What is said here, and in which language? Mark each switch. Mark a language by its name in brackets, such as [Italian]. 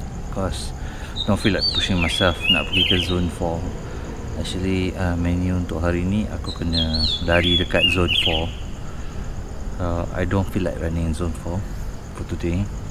[English] Because don't feel like pushing myself [Malay] nak pergi ke [English] zone 4. [Malay] Actually, menu untuk hari ni aku kena lari dekat zone 4. [English] I don't feel like running in zone 4 for today.